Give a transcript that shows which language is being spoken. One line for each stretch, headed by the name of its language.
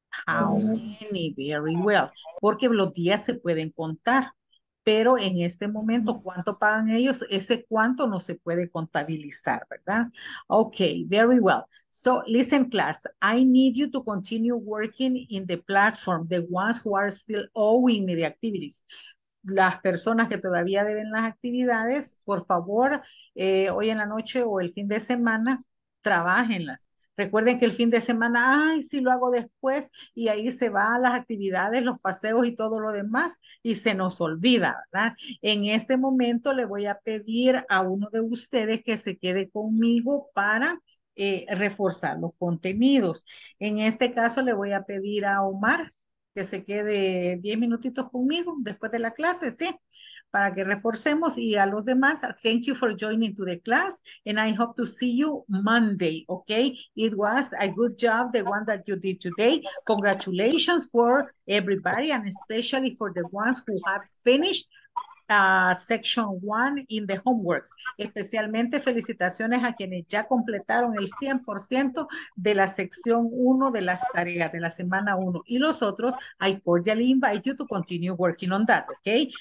English: How many? Very well.
Spanish: Porque los días se pueden contar. Pero en este momento, ¿cuánto pagan ellos? Ese cuánto no se puede contabilizar, ¿verdad?
English: Okay, very well. So, listen, class, I need you to continue working in the platform, the ones who are still owing me the activities.
Spanish: Las personas que todavía deben las actividades, por favor, hoy en la noche o el fin de semana, trabájenlas. Recuerden que el fin de semana, ay, sí lo hago después, y ahí se va a las actividades, los paseos y todo lo demás, y se nos olvida, ¿verdad? En este momento le voy a pedir a uno de ustedes que se quede conmigo para reforzar los contenidos. En este caso le voy a pedir a Omar que se quede 10 minutitos conmigo después de la clase, ¿sí? Para que reforcemos y a los demás,
English: thank you for joining to the class and I hope to see you Monday, okay? It was a good job, the one that you did today. Congratulations for everybody and especially for the ones who have finished section 1 in the homeworks.
Spanish: Especialmente felicitaciones a quienes ya completaron el 100% de la sección 1 de las tareas de la semana 1. Y los otros,
English: I cordially invite you to continue working on that, okay?